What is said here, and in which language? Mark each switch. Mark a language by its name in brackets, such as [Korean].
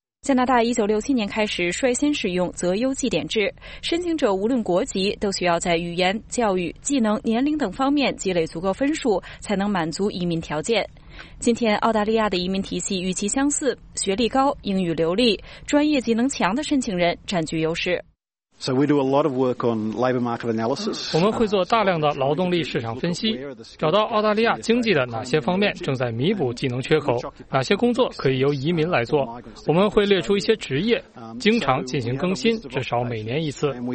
[Chinese] 加拿大1967年开始率先使用择优绩点制，申请者无论国籍都需要在语言、教育、技能、年龄等方面积累足够分数，才能满足移民条件。今天澳大利亚的移民体系与其相似，学历高、英语流利、专业技能强的申请人占据优势。 [English] So we do a lot of work on labor market analysis. [Chinese] 我们会做大量的劳动力市场分析，找到澳大利亚经济的哪些方面正在弥补技能缺口，哪些工作可以由移民来做。我们会列出一些职业，经常进行更新，至少每年一次。